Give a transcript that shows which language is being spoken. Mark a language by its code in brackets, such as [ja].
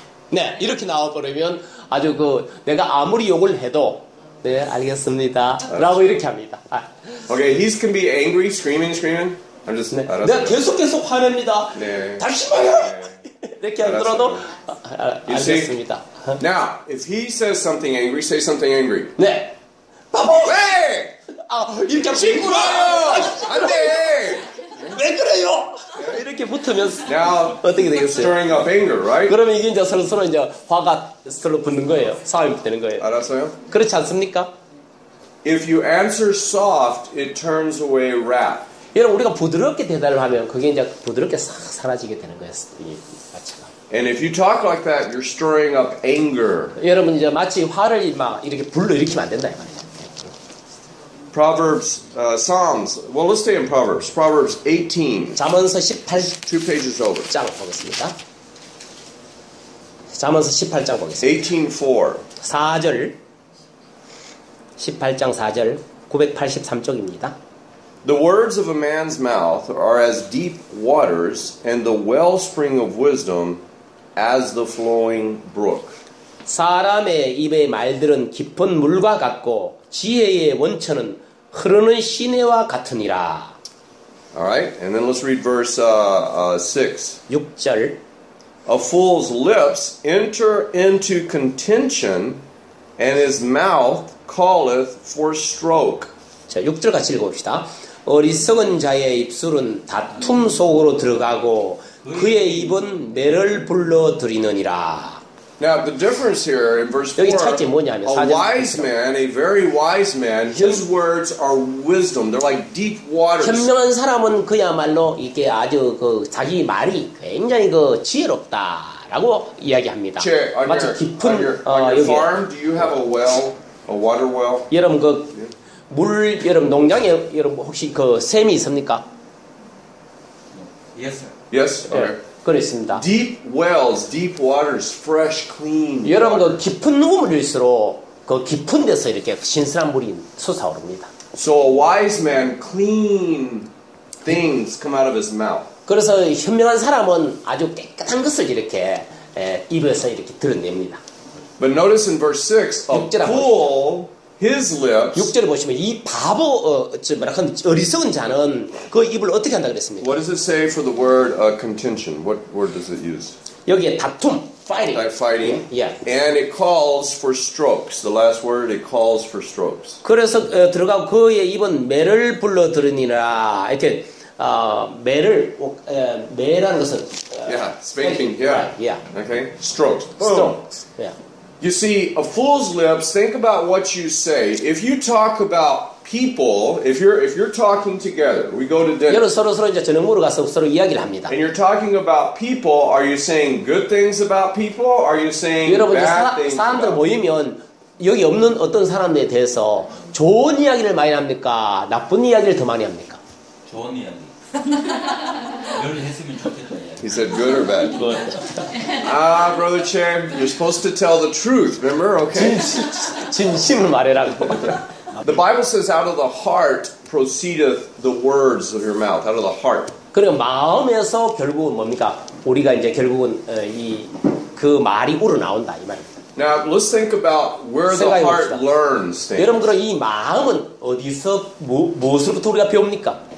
[ko] 네, 이렇게 나와버리면 아주 그 내가 아무리 욕을 해도 네, 알겠습니다. 알았어요. 라고 이렇게 합니다. 아. [en] Okay, he can be angry, screaming. I'm just [ko] 네. 알았어요. 내가 계속 화냅니다. 네. 다시 말해. 네. 이렇게 하더라도 알겠습니다. [en] See? Now, if he says something angry, say something angry. [ko] 네. 바보! 왜! 아, 이렇게 친구야! 안 돼! 왜 그래요? 이렇게 붙으면 [en] Now, [ko] 어떻게 되겠어요? [en] Stirring up anger, right? [ko] 그러면 이게 이제 서로 이제 화가 서로 붙는 거예요. 싸움이 되는 거예요. 알았어요? 그렇지 않습니까? [en] If you answer soft, it turns away wrath. [ko] 여러분 우리가 부드럽게 대답을 하면 그게 이제 부드럽게 싹 사라지게 되는 거예요. [en] And if you talk like that, you're stirring up anger. [ko] 여러분 이제 마치 화를 막 이렇게 불로 일으키면 안 된다 이 말이에요. [en] Proverbs, Psalms. Well, let's stay in Proverbs. Proverbs 18. [ko] 잠언서 18. [en] Two pages over. [ko] 장 보겠습니다. 잠언서 18장 보겠습니다. [en] 18:4. [ko] 4절. 18장 4절. 983쪽입니다. [en] The words of a man's mouth are as deep waters, and the wellspring of wisdom as the flowing brook. [ko] 사람의 입의 말들은 깊은 물과 같고 지혜의 원천은 흐르는 시내와 같으니라. [en] Alright, and then let's read verse 6. [ko] 6절. [en] A fool's lips enter into contention, and his mouth calleth for stroke. [ko] 자, 6절 같이 읽어봅시다. 어리석은 자의 입술은 다툼 속으로 들어가고 그의 입은 매를 불러들이느니라. [en] Now the difference here in verse [ko] 4, 뭐냐면, [en] a wise man, a very wise man, his words are wisdom. They're like deep waters. [ko] 현명한 사람은 그야말로 이게 아주 그 자기 말이 굉장히 그 지혜롭다라고 이야기합니다. 제, 마치 [en] your, [ko] 깊은 [en] on your farm, [ko] 여기. [en] Do you have a well, a water well? [ko] 여러분 그 물 [en] yeah. [ko] 여러분 농장에 여러분 혹시 그 샘이 있습니까? [en] Yes, sir. Yes, okay. Yeah. [ko] 그렇습니다. [en] Deep wells, deep waters, fresh, clean. [ko] 여러분도 깊은 우물일수록 그 깊은 데서 이렇게 신선한 물이 솟아오릅니다. [en] So a wise man, clean things come out of his mouth. [ko] 그래서 현명한 사람은 아주 깨끗한 것을 이렇게 입에서 이렇게 드러냅니다. [en] But notice in verse 6, a fool, his lips. [ko] 6절에 보시면 이 바보 뭐라고 어리석은 자는 그 입을 어떻게 한다 그랬습니까? [en] What does it say for the word contention? What word does it use? [ko] 여기에 다툼, fighting. [en] Like fighting. Yeah. And it calls for strokes. The last word, it calls for strokes. [ko] 그래서 들어가고 그의 입은 매를 불러들으니라 이렇게 매를 매라는 것은 [en] Yeah, spanking. Yeah. Right. Yeah. Okay. Strokes. Boom. Strokes. Yeah. You see, a fool's lips, think about what you say. If you talk about people, if you're talking together, we go to dinner. [ko] 여러분 서로 이제 저녁으로 가서 서로 이야기를 합니다. [en] And you're talking about people, are you saying good things about people? Or are you saying bad things? [ko] 여러분 사람들 모이면 여기 없는 어떤 사람에 대해서 좋은 이야기를 많이 합니까? 나쁜 이야기를 더 많이 합니까? 좋은 이야기. 열 했으면 좋겠다. [en] He said good or bad? Good. Ah, Brother Chan, you're supposed to tell the truth, remember? Okay. [ko] 진심을 말해라고. [en] The Bible says out of the heart proceedeth the words of your mouth. Out of the heart. [ko] 그리고 마음에서 결국은 뭡니까? 우리가 이제 결국은 이 그 말이 우러나온다 이 말입니다. [en] Now let's think about where the heart learns things. [ko] 여러분 그럼 이 마음은 어디서 무엇으로부터 우리가 배웁니까?